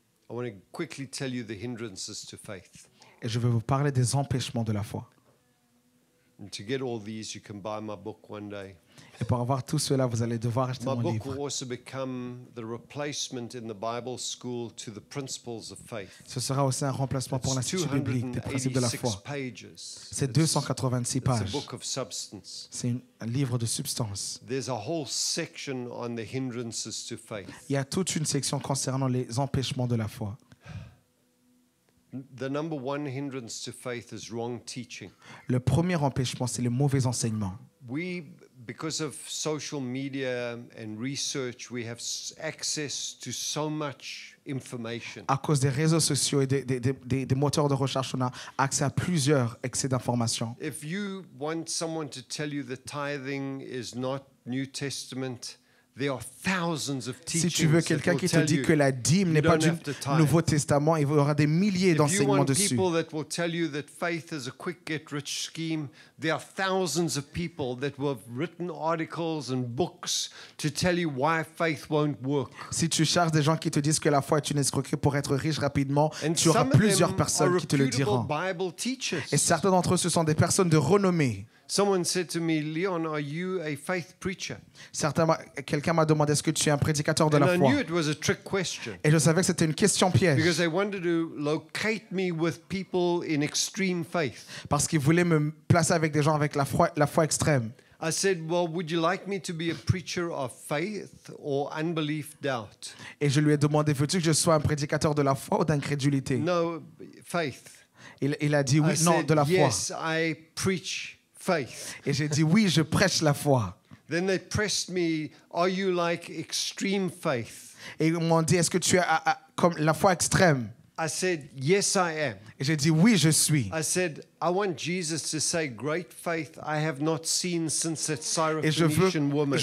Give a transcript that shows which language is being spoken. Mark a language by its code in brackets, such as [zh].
[en] I want to quickly tell you the hindrances to faith. [fr] Et je vais vous parler des empêchements de la foi. [en] And to get all these, you can buy my book one day. [fr] Et pour avoir tout cela, vous allez devoir acheter [en] My [fr] mon [en] book [fr] livre. [en] Will also become the replacement in the Bible school to the principles of faith. [fr] Ce sera aussi un remplacement [en] it's [fr] pour l'institut biblique des principes de la foi. [en] Pages. [fr] C'est 286 pages. [en] It's a book of substance. [fr] C'est un livre de substance. [en] There's a whole section on the hindrances to faith. [fr] Il y a toute une section concernant les empêchements de la foi. [en] The number one hindrance to faith is wrong teaching. [fr] Le premier empêchement, c'est le mauvais enseignement. [en] Because of social media and research, we have access to so much information. [fr] À cause des réseaux sociaux et des moteurs de recherche, on a accès à plusieurs excès d'informations. [en] If you want someone to tell you that tithing is not New Testament, There are thousands of teachings. [fr] Si tu veux quelqu'un qui te dit que la dîme n'est pas du Nouveau Testament, il y aura des milliers d'enseignements dessus. [en] If you want people that will tell you that faith is a quick get rich scheme, there are thousands of people that have written articles and books to tell you why faith won't work. [fr] Si tu cherches des gens qui te disent que la foi est une escroquerie pour être riche rapidement, tu auras plusieurs personnes qui te le diront. [en] Bible teachers. [fr] Et certains d'entre eux, ce sont des personnes de renommée. [en] Someone said to me, Leon, are you a faith preacher? [fr] Quelqu'un m'a demandé, est-ce que tu es un prédicateur de la foi? [en] And I knew it was a trick question. [fr] Et je savais que c'était une question piège. [en] Because they wanted to locate me with people in extreme faith. [fr] Parce qu'ils voulaient me placer avec des gens avec la foi extrême. [en] I said, well, would you like me to be a preacher of faith or unbelief doubt? [fr] Et je lui ai demandé, veux-tu que je sois un prédicateur de la foi ou d'incrédulité? [en] No, faith. [fr] Il a dit oui, [en] I [fr] non, [en] said, [fr] de la foi. [en] Yes, I preach. [fr] Et j'ai dit oui, je prêche la foi. [en] Then they pressed me, are you like extreme faith? [fr] Et ils m'ont dit, est-ce que tu as comme la foi extrême? [en] I said, yes, I am. [fr] Et j'ai dit oui, je suis. [en] I said, I want Jesus to say, great faith I have not seen since that Syrophoenician woman.